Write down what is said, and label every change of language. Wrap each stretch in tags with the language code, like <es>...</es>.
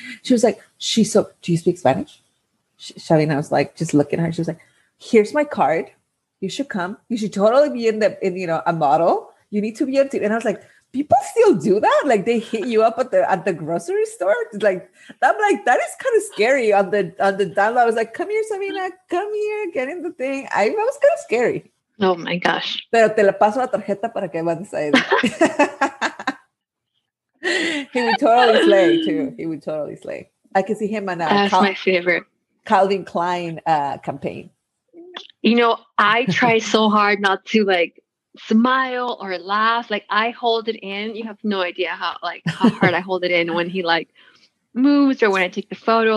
<en>She was like, do you speak Spanish? Sabina was like, just looking at her. She was like, here's my card. You should come. You should totally be in a model. You need to be into it. And I was like, people still do that? Like, they hit you up at the grocery store? Like, I'm like, that is kind of scary on the download. I was like, come here, Sabina. Come here. Get in the thing. I was kind of scary. Oh, my gosh.</en> <es>Pero te la paso la tarjeta para que avances ahí.</es> <en>He would totally slay, too. He would totally slay. I can see him on my favorite Calvin Klein campaign. You know, I try so hard not to like smile or laugh. Like I hold it in. You have no idea how hard I hold it in when he like moves or when I take the photo.</en>